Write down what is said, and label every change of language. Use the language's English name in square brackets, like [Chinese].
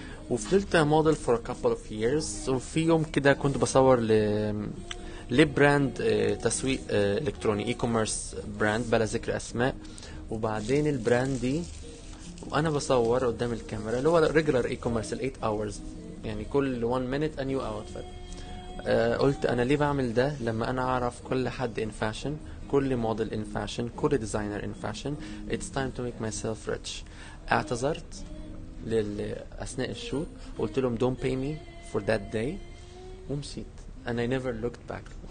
[Arabic] وفضلت موديل [English] for a couple of years. [Arabic] وفي يوم كده كنت بصور لبراند تسويق إلكتروني، e-commerce براند بلا ذكر أسماء. وبعدين البراند دي وأنا بصور قدام الكاميرا اللي هو [English] regular e-commerce 8 hours [Arabic] يعني كل [English] 1 minute a new outfit، [Arabic] قلت أنا ليه بعمل ده لما أنا أعرف كل حد in fashion، كل موديل in fashion، كل designer in fashion. [English] it's time to make myself rich. [Arabic] اعتذرت لأثناء الشوت، قلت لهم [English] don't pay me for that day [Arabic] ومشيت [English] and I never looked back.